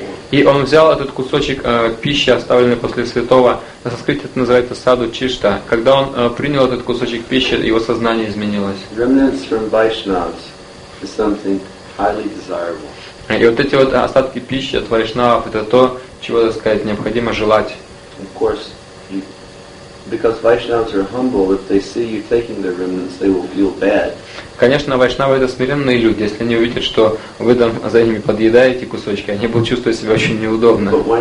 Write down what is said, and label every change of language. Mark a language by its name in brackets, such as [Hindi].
[Russian] И он взял этот кусочек пищи, оставленный после святого. На санскрите это называется саду чишта. Когда он принял этот кусочек пищи, его сознание изменилось. [English] Remnants from Vaishnavas is something highly desirable. [Russian] И вот эти вот остатки пищи от вайшнавов — это то, чего, так сказать, необходимо желать. [English] Of course, because Vaishnavas are humble, if they see you taking their remnants, they will feel bad. [Russian] Конечно, вайшнавы — это смиренные люди. Если они увидят, что вы там за ними подъедаете кусочки, они будут чувствовать себя очень неудобно.